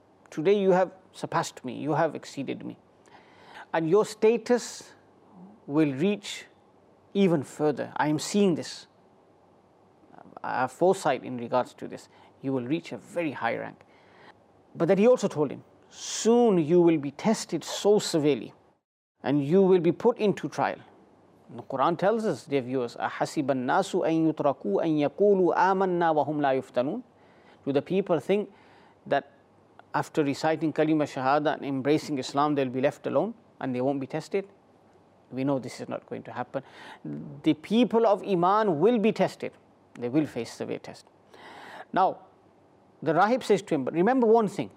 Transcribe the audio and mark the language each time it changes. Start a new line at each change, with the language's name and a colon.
English: Today you have surpassed me, you have exceeded me. And your status will reach even further. I am seeing this. I have foresight in regards to this. You will reach a very high rank. But then he also told him, soon you will be tested so severely and you will be put into trial. The Quran tells us, dear viewers,
Arabic: أَحَسِبَ النَّاسُ أَن يُتْرَكُوا أَن يَقُولُوا آمَنَّا وَهُمْ لَا يُفْتَنُونَ.
English: Do the people think that after reciting Kalima Shahada and embracing Islam, they'll be left alone and they won't be tested? We know this is not going to happen. The people of Iman will be tested. They will face severe test. Now, the Rahib says to him, but remember one thing.